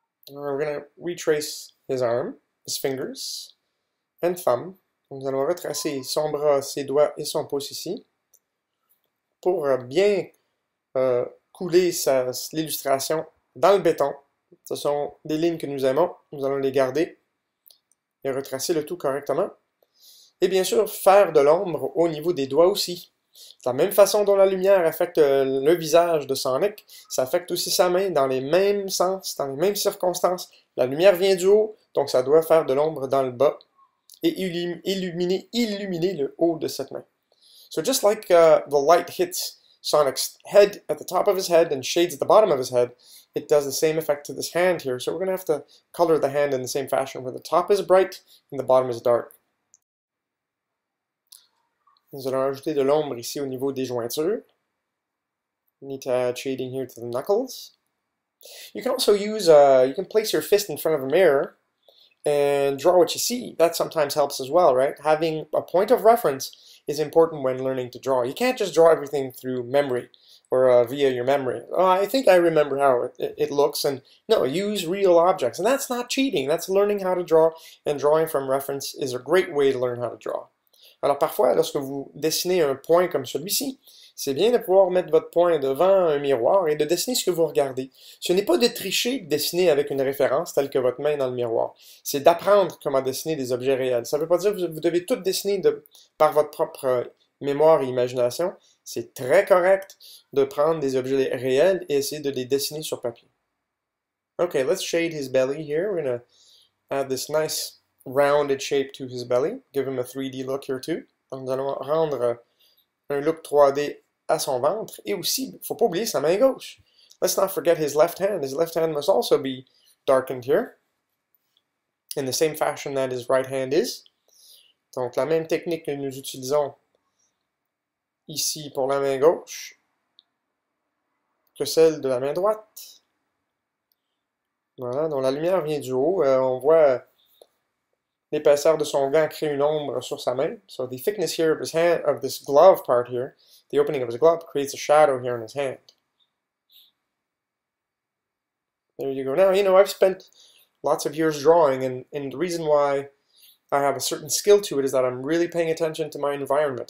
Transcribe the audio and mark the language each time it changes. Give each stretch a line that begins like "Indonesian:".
English: We're going to retrace his arm, his fingers, and thumb.
French: Nous allons retracer son bras, ses doigts et son pouce ici pour bien couler l'illustration dans le béton. Ce sont des lignes que nous aimons. Nous allons les garder et retracer le tout correctement. Et bien sûr, faire de l'ombre au niveau des doigts aussi. De la même façon dont la lumière affecte le visage de Sonic, ça affecte aussi sa main dans les mêmes sens, dans les mêmes circonstances. La lumière vient du haut, donc ça doit faire de l'ombre dans le bas. Et illuminer le haut de cette main.
English: So just like the light hits Sonic's head at the top of his head and shades at the bottom of his head, it does the same effect to this hand here. So we're going to have to color the hand in the same fashion where the top is bright and the bottom is dark.
French: Nous allons ajouter de l'ombre ici au niveau des jointures.
English: We need to add shading here to the knuckles. You can also place your fist in front of a mirror and draw what you see. That sometimes helps as well, right? Having a point of reference is important when learning to draw. You can't just draw everything through memory or via your memory. Oh, I think I remember how it looks. And no, use real objects. And that's not cheating. That's learning how to draw. And drawing from reference is a great way to learn how to draw.
French: Alors parfois, lorsque vous dessinez un point comme celui-ci, c'est bien de pouvoir mettre votre point devant un miroir et de dessiner ce que vous regardez. Ce n'est pas de tricher de dessiner avec une référence telle que votre main dans le miroir. C'est d'apprendre comment dessiner des objets réels. Ça ne veut pas dire que vous devez tout dessiner par votre propre mémoire et imagination. C'est très correct de prendre des objets réels et essayer de les dessiner sur papier.
English: Okay, let's shade his belly here. We're going to add this nice rounded shape to his belly. Give him a 3D look here too.
French: Donc, nous allons rendre un look 3D à son ventre, et aussi, il ne faut pas oublier sa main gauche.
English: Let's not forget his left hand. His left hand must also be darkened here, in the same fashion that his right hand is.
French: Donc, la même technique que nous utilisons ici pour la main gauche que celle de la main droite. Voilà, donc la lumière vient du haut. On voit l'épaisseur de son gant crée une ombre sur sa main.
English: So the thickness here of his hand, of this glove part here, the opening of his glove creates a shadow here in his hand. There you go. Now, you know, I've spent lots of years drawing, and the reason why I have a certain skill to it is that I'm really paying attention to my environment.